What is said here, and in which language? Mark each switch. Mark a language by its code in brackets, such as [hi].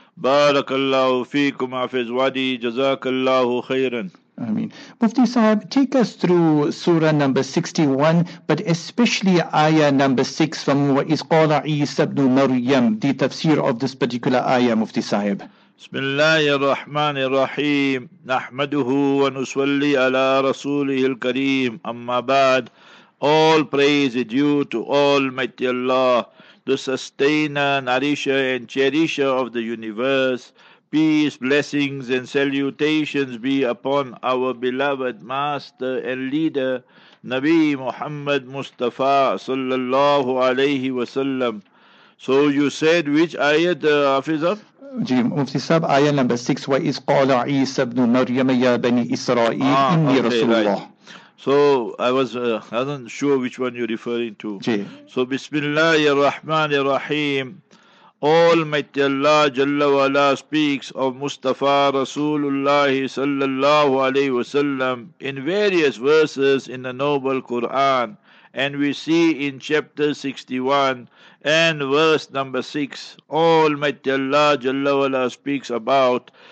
[ar] Barakallahu feekum afizwadi, jazakallahu khairan. [en] I mean, Mufti Sahib, take us through Surah number 61, but especially Ayah number 6 from [ar] وَإِذْ قَالَ عِيسَى بْنُ مَرْيَمْ, [en] the tafsir of this particular Ayah, Mufti Sahib. [ar] بسم الله الرحمن الرحيم نحمده ونصلي على رسوله الكريم أما بعد. [en] All praise is due to Almighty Allah, the sustainer, nourisher and cherisher of the universe. Peace, blessings and salutations be upon our beloved master and leader, Nabi Muhammad Mustafa sallallahu alayhi wa sallam. So you said which ayat, Hafizah? Mufti Sahib, ayah number 6, [ar] وَإِذْ قَالَ عِيسَى بْنُ مَرْيَمَ يَا بَنِي إِسْرَائِيلَ إِنِّي رَسُولُ اللَّهِ. [en] So I wasn't sure which one you're referring to. So Bismillah ar-Rahman ar-Rahim. Almighty Allah Jalla wa Ala speaks of Mustafa Rasulullah sallallahu alayhi wa sallam in various verses in the noble Quran, and we see in chapter 61 and verse number 6, Almighty Allah Jalla wa Ala speaks about